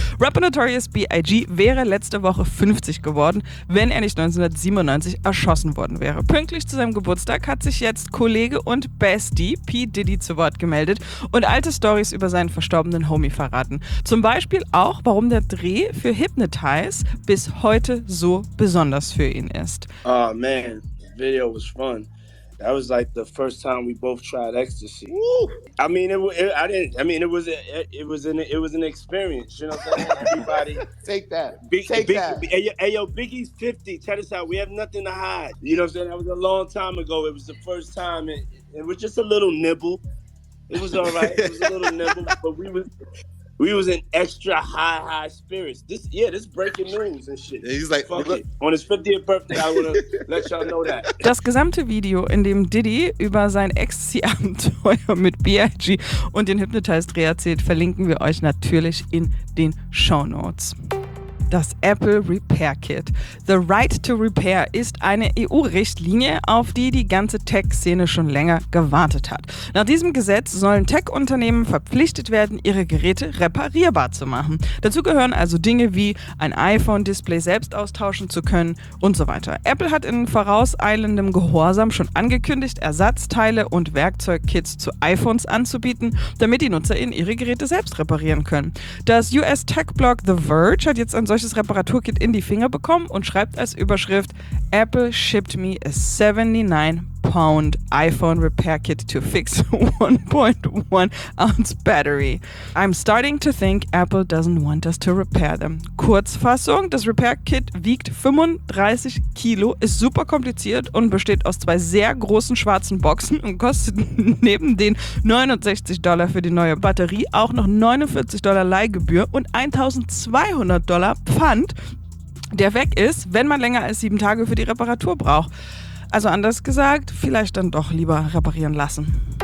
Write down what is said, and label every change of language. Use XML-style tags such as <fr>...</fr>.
<de>Rapper Notorious B.I.G. wäre letzte Woche 50 geworden, wenn er nicht 1997 erschossen worden wäre. Pünktlich zu seinem Geburtstag hat sich jetzt Kollege und Bestie P. Diddy zu Wort gemeldet und alte Stories über seinen verstorbenen Homie verraten. Zum Beispiel auch, warum der Dreh für Hypnotize bis heute so besonders für ihn ist.</de> <en>Oh man, the video was fun. That was like the first time we both tried ecstasy. Woo! It was an experience. You know what I'm saying? Everybody, take that. Take that. Hey yo, Biggie's 50. Check this out. We have nothing to hide. You know what I'm saying? That was a long time ago. It was the first time. It was just a little nibble. It was all right. It was a little nibble, but we was in extra high spirits. This breaking news and shit. Yeah, he's like, fuck it. On his 50th birthday, I want to let y'all know that.</en> <de>Das gesamte Video, in dem Diddy über sein Ecstasy-Abenteuer mit B.I.G. und den Hypnotize-Dreh erzählt, verlinken wir euch natürlich in den Shownotes. Das Apple Repair Kit. The Right to Repair ist eine EU-Richtlinie, auf die die ganze Tech-Szene schon länger gewartet hat. Nach diesem Gesetz sollen Tech-Unternehmen verpflichtet werden, ihre Geräte reparierbar zu machen. Dazu gehören also Dinge wie ein iPhone-Display selbst austauschen zu können und so weiter. Apple hat in vorauseilendem Gehorsam schon angekündigt, Ersatzteile und Werkzeugkits zu iPhones anzubieten, damit die NutzerInnen ihre Geräte selbst reparieren können. Das US-Tech-Blog The Verge hat jetzt ein solches Reparaturkit in die Finger bekommen und schreibt als Überschrift:</de> <en>Apple shipped me a 79-Pound iPhone repair kit to fix 1.1-ounce battery. I'm starting to think Apple doesn't want us to repair them.</en> <de>Kurzfassung: Das Repair Kit wiegt 35 Kilo, ist super kompliziert und besteht aus 2 sehr großen schwarzen Boxen und kostet neben den $69 für die neue Batterie auch noch $49 Leihgebühr und $1,200 Pfand, der weg ist, wenn man länger als 7 Tage für die Reparatur braucht. Also anders gesagt, vielleicht dann doch lieber reparieren lassen.</de>